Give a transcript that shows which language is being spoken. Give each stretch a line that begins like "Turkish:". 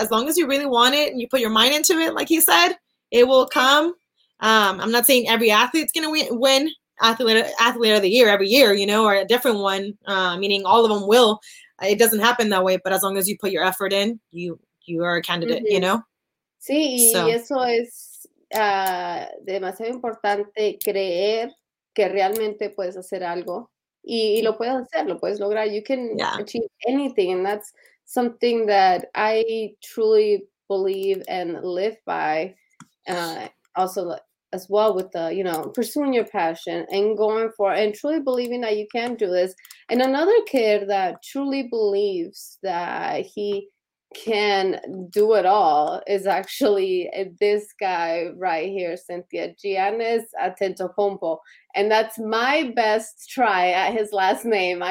English: As long as you really want it and you put your mind into it, like he said, it will come. I'm not saying every athlete's going to win athlete of the year every year, you know, or a different one, meaning all of them will. It doesn't happen that way. But as long as you put your effort in, you are a candidate, mm-hmm. you know? Sí, so.
Spanish: Y eso es demasiado importante creer que realmente puedes hacer algo y lo puedes hacer, lo puedes lograr.
English: You can achieve anything, and that's something that I truly believe and live by. Also, as well with the, you know, pursuing your passion and going for and truly believing that you can do this. And another kid that truly believes that he can do it all is actually this guy right here, Cynthia Giannis Antetokounmpo, and that's my best try at his last name.